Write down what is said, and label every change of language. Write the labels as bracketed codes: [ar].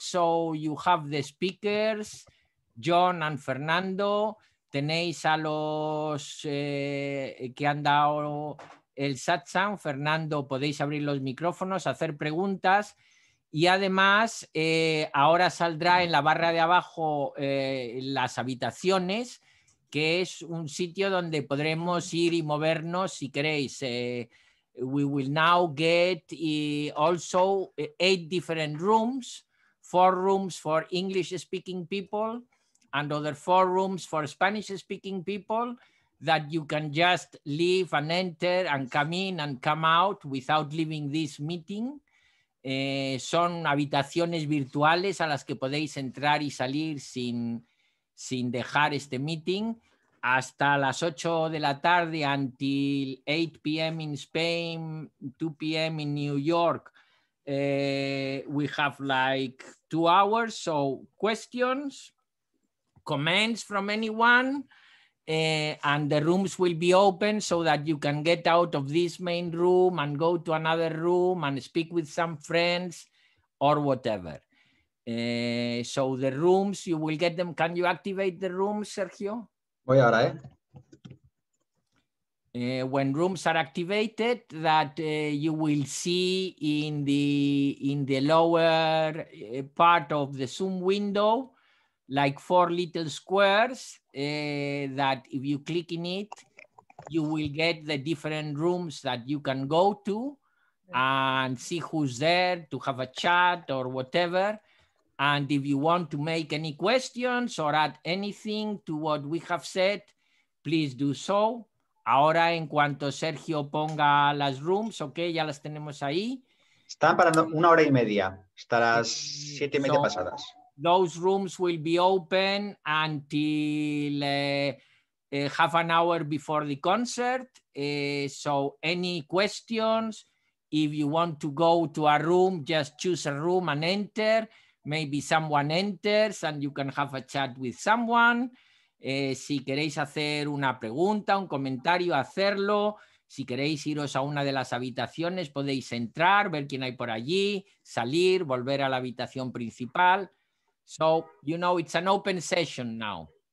[en] So you have the speakers, John and Fernando. [es] Tenéis a los que han dado el Satsang, Fernando, podéis abrir los micrófonos, hacer preguntas y además ahora saldrá en la barra de abajo las habitaciones, que es un sitio donde podremos ir y movernos si queréis. [en] We will now get also 8 different rooms, 4 rooms for English speaking people and other 4 rooms for Spanish speaking people, that you can just leave and enter and come in and come out without leaving this meeting. [es] Son habitaciones virtuales a las que podéis entrar y salir sin dejar este meeting hasta las 8 de la tarde, [en] until 8 p.m. in Spain, 2 p.m. in New York. We have like 2 hours, so questions, comments from anyone, and the rooms will be open so that you can get out of this main room and go to another room and speak with some friends or whatever. So the rooms, you will get them. Can you activate the room, Sergio? [es] Voy ahora, eh? [en] When rooms are activated, that you will see in the lower part of the Zoom window, like 4 little squares, that if you click in it, you will get the different rooms that you can go to and see who's there to have a chat or whatever. And if you want to make any questions or add anything to what we have said, please do so. [es] Ahora, en cuanto Sergio ponga las rooms, ok, ya las tenemos ahí. Están para 1 hora y media, hasta las 7:30 pasadas. [en] Those rooms will be open until half an hour before the concert. So any questions, if you want to go to a room, just choose a room and enter. Maybe someone enters and you can have a chat with someone. [es] Si queréis hacer una pregunta, un comentario, hacerlo. Si queréis iros a una de las habitaciones, podéis entrar, ver quién hay por allí, salir, volver a la habitación principal. [en] So, you know, it's an open session now.